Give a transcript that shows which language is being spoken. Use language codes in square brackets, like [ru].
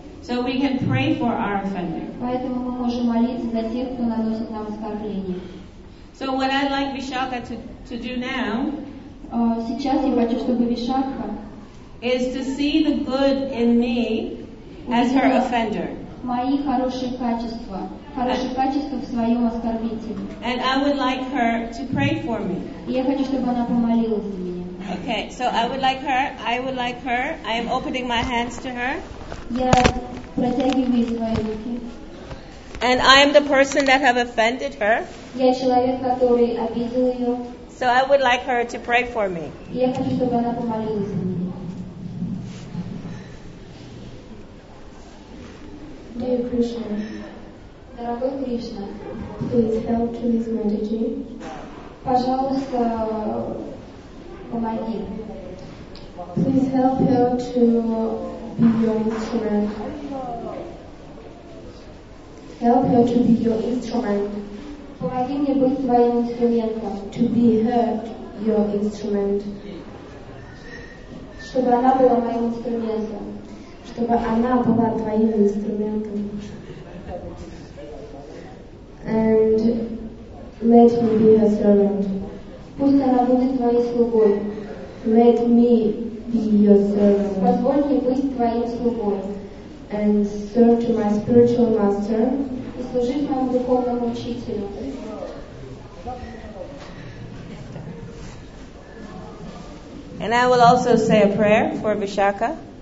[en] So we can pray for our offender. [ru] Поэтому мы можем молиться за тех, кто наносит нам оскорбление. [en] So what I'd like Vishakha to do now, [ru] сейчас я хочу, чтобы Вишакха [en] is to see the good in me as her offender. [ru] Мои хорошие качества. Хорошие качества в своем оскорбителе. [en] And I would like her to pray for me. [ru] Я хочу, чтобы она помолилась за меня. [en] Okay, so I would like her. I am opening my hands to her. [ru] Я протягиваю свои руки. [en] And I am the person that have offended her. [ru] Я человек, который обидел ее. [en] So I would like her to pray for me. [ru] Я хочу, чтобы она помолилась за меня. [en] Dear Krishna, [ru] дорогой Кришна, [en] please help to this mandate. [ru] Пожалуйста, помоги. [en] Please help her to be your instrument. Help her to be your instrument. [ru] Помоги мне быть твоим инструментом. [en] To be her your instrument. [ru] Чтобы она была моим инструментом. Чтобы она была твоим инструментом. [en] And let me be her servant. [ru] Пусть она будет твоей слугой. [en] Let me be your servant. [ru] Позволь мне быть твоим слугой. [en] And serve to my spiritual master. [ru] И служить моему духовному учителю. [en] And I will also say a prayer for Vishakha.